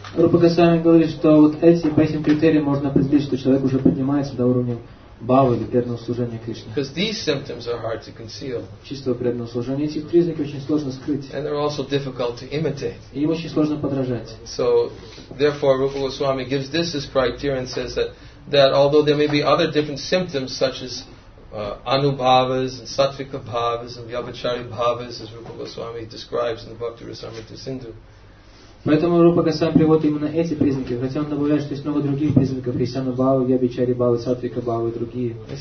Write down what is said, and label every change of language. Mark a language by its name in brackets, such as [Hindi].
[Russian] Rupa Goswami говорит, что вот эти по этим критериям можно определить, что человек уже поднимается до уровня бхавы или преданного служения Кришне. [English] Because these symptoms are hard to conceal. [Russian] Чистого преданного служения. Эти признаки очень сложно скрыть. [English] And they're also difficult to imitate. [Russian] И им очень сложно подражать. [English] So, therefore, Rupa Goswami gives this as criteria and says that although there may be other different symptoms such as anubhavas and sattvika bhavas and vyabhachari bhavas, as Rupa Goswami describes in the Bhakti Rasamrita Sindhu. [Russian] Поэтому Рупа Госвами приводит именно эти признаки, хотя он добавляет, что есть много других признаков, Кришьяна Бхава, Вьябичари Бхава, Сатвика Бхава и другие.